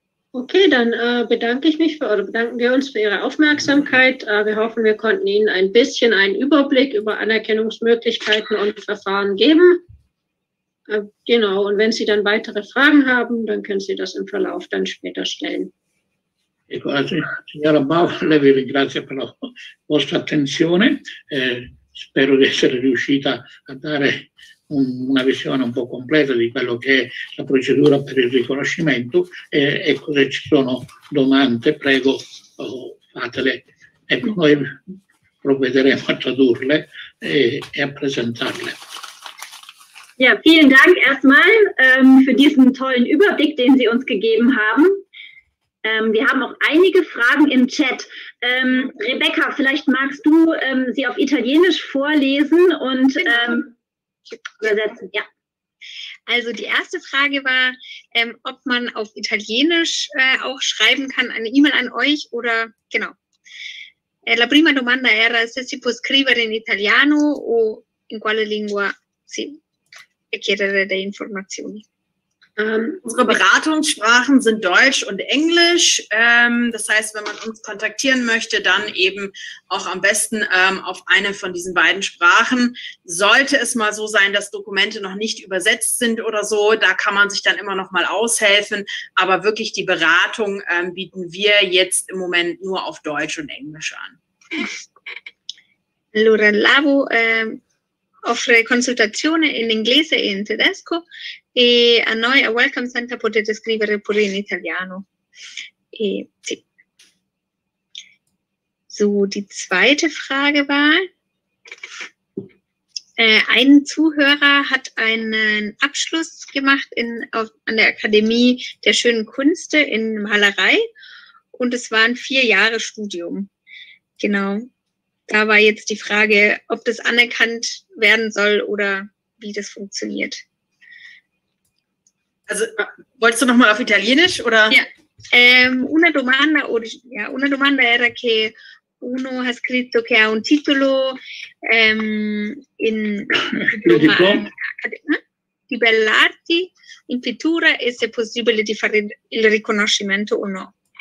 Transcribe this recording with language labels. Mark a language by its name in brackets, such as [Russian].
[German] Okay, dann bedanken wir uns für Ihre Aufmerksamkeit. Wir hoffen, wir konnten Ihnen ein bisschen einen Überblick über Anerkennungsmöglichkeiten und Verfahren geben. Genau, und wenn Sie dann weitere Fragen haben, dann können Sie das im Verlauf dann später stellen. [Italian] Ecco, also, signora Bauer, vi ringrazio per la vostra attenzione. Spero di essere riuscita a dare una visione un po' completa di quello che è la procedura per il riconoscimento. Ecco, se ci sono domande, prego, fatele. Ecco, noi provvederemo a tradurle e a presentarle. [German] Ja, vielen Dank erstmal für diesen tollen Überblick, den Sie uns gegeben haben. Wir haben auch einige Fragen im Chat. Rebecca, vielleicht magst du sie auf Italienisch vorlesen und übersetzen. Ja. Also die erste Frage war, ob man auf Italienisch auch schreiben kann, eine E-Mail an euch oder genau. [Italian] La prima domanda era se si può scrivere in italiano o in quale lingua si e chiedere delle informazioni. [German] Unsere Beratungssprachen sind Deutsch und Englisch. Das heißt, wenn man uns kontaktieren möchte, dann eben auch am besten auf eine von diesen beiden Sprachen. Sollte es mal so sein, dass Dokumente noch nicht übersetzt sind oder so, da kann man sich dann immer noch mal aushelfen. Aber wirklich die Beratung bieten wir jetzt im Moment nur auf Deutsch und Englisch an. [Italian] Allora, l'AVU offre consultazione in inglese e in tedesco. E a noi, a Welcome Center, potete scrivere pure in italiano. E, sì. [German] So, die zweite Frage war, ein Zuhörer hat einen Abschluss gemacht an der Akademie der schönen Künste in Malerei und es waren 4 Jahre Studium. Genau, da war jetzt die Frage, ob das anerkannt werden soll oder wie das funktioniert. Also, wolltest du nochmal auf Italienisch, oder? Ja, [Italian] Una domanda, una domanda era che uno ha scritto che ha un titolo in di belle arti in pittura e se è possibile di fare il riconoscimento o no.